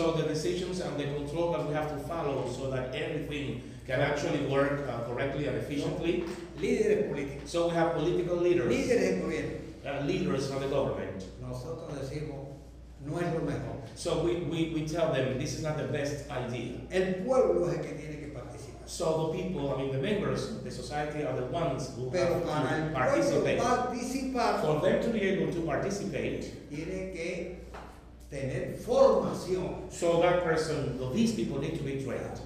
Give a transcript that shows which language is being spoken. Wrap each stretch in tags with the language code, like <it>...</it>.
<en>So the decisions and the control that we have to follow so that everything can actually work correctly and efficiently.</en> <es>Líderes políticos.</es> <en>So we have political leaders.</en> <es>Líderes del gobierno.</es> <en>Leaders from the government.</en> <es>Nosotros decimos. No es lo mejor.</es> <en>So we tell them this is not the best idea.</en> <es>El pueblo es el que tiene que participar.</es> <en>So the people, I mean the members of the society are the ones who</en> <es>pero</es> <en>have to participate.</en> <es>Participar,</es> <en>for them to be able to participate,</en> <es>tiene que tener formación.</es> <en>So that person, well, these people need to be trained.</en>